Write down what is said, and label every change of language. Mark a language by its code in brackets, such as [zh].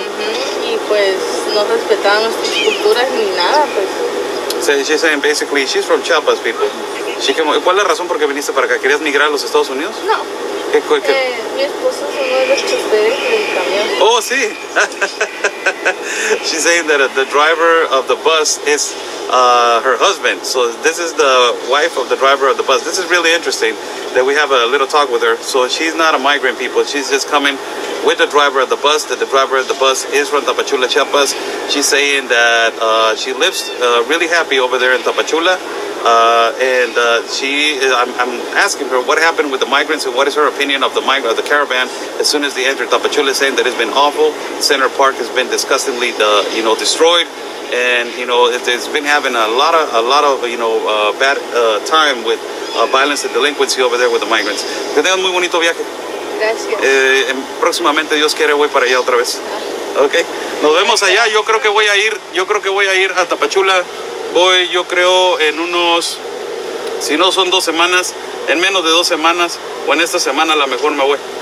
[es] Uh-huh. Y pues no respetaban nuestras culturas ni nada, pues. [en] So she's saying basically she's from Chiapas, people. She came, [es] ¿cuál es la razón por qué viniste para acá? ¿Querías migrar a los Estados Unidos? No. ¿Qué? Mi esposo es uno de los choferes del camión. Oh, sí. [en] She's saying that the driver of the bus is her husband. So this is the wife of the driver of the bus. This is really interesting that we have a little talk with her. So she's not a migrant, people. She's just coming with the driver of the bus, that the driver of the bus is from Tapachula, Chiapas. She's saying that she lives really happy over there in Tapachula. I'm asking her what happened with the migrants and what is her opinion of the migrant, of the caravan, as soon as they entered Tapachula, saying that it's been awful. Center Park has been disgustingly, destroyed. And, you know, it's been having a lot of bad time with violence and delinquency over there with the migrants. [es] Que tengan muy bonito viaje. Gracias. Próximamente, Dios quiere, voy para allá otra vez. Okay. Nos vemos allá. Yo creo que voy a ir a Tapachula. Voy, yo creo, en unos, si no son 2 semanas, en menos de 2 semanas, o en esta semana a lo mejor me voy.